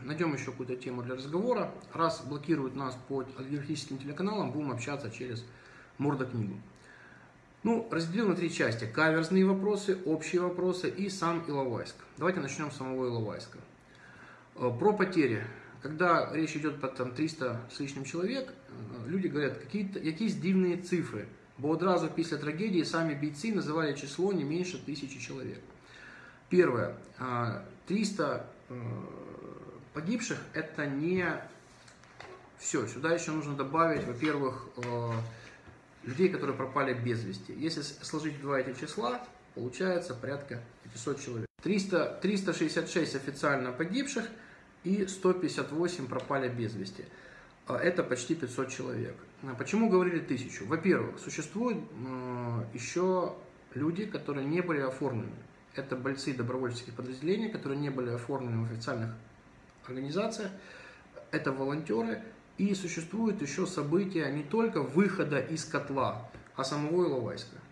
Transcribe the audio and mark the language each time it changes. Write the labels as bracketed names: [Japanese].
[Russian] Найдем еще какую-то тему для разговора. Раз блокируют нас по олигархическим телеканалам, будем общаться через мордокнигу. Ну, разделил на три части. Каверзные вопросы, общие вопросы и сам Иловайск. Давайте начнем с самого Иловайска. Про потери. Когда речь идет про там, 300 с лишним человек, люди говорят, какие дивные цифры. [Ukrainian] Бо одразу після трагедії самі бійці називали число не менше тисячі чоловік. Перше, 300 погибших – це не все. Сюди ще потрібно додати, [Russian] во-первых, [Ukrainian] людей, які пропали без вісті. Якщо складати два ці числа, виходить порядка 500 чоловік. 366 офіційно погибших і 158 пропали без вісті. [Russian] Это почти 500 человек. Почему говорили 1000? Во-первых, существуют еще люди, которые не были оформлены. Это бойцы добровольческих подразделений, которые не были оформлены в официальных организациях. Это волонтеры. И существуют еще события не только выхода из котла, а самого Иловайска.